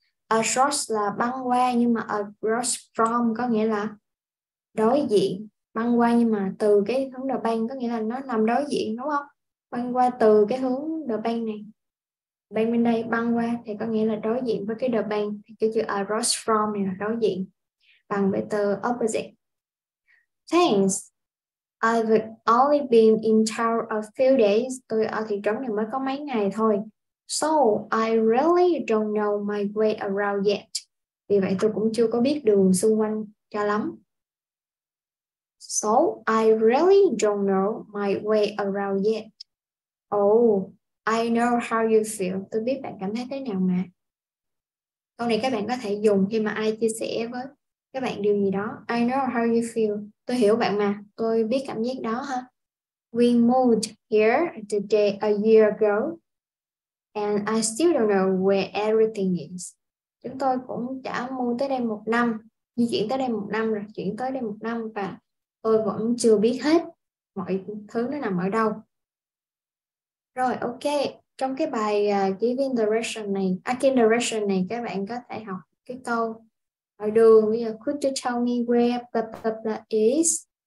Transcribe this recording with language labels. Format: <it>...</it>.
<vi>Across là băng qua, nhưng mà across from có nghĩa là đối diện. Băng qua nhưng mà từ cái hướng the bank, có nghĩa là nó nằm đối diện đúng không? Băng qua từ cái hướng the bank này. Bank bên đây băng qua thì có nghĩa là đối diện với cái the bank. Thì cái chữ across from này là đối diện. Bằng với từ opposite.</vi> <en>Thanks. I've only been in town a few days.</en> <vi>Tôi ở thị trấn này mới có mấy ngày thôi.</vi> <en>So I really don't know my way around yet.</en> <vi>Vì vậy tôi cũng chưa có biết đường xung quanh cho lắm.</vi> <en>So I really don't know my way around yet. Oh, I know how you feel.</en> <vi>Tôi biết bạn cảm thấy thế nào mà. Câu này các bạn có thể dùng khi mà ai chia sẻ với các bạn điều gì đó.</vi> <en>I know how you feel.</en> <vi>Tôi hiểu bạn mà. Tôi biết cảm giác đó ha.</vi> <en>We moved here the day a year ago. And I still don't know where everything is.</en> <vi>Chúng tôi cũng đã mua tới đây một năm, di chuyển tới đây một năm rồi, chuyển tới đây một năm và tôi vẫn chưa biết hết mọi thứ nó nằm ở đâu. Rồi, ok. Trong cái bài Giving Direction này, Asking Direction này, các bạn có thể học cái câu ở đường. Bây giờ,</vi> <en>could you tell me where is?</en>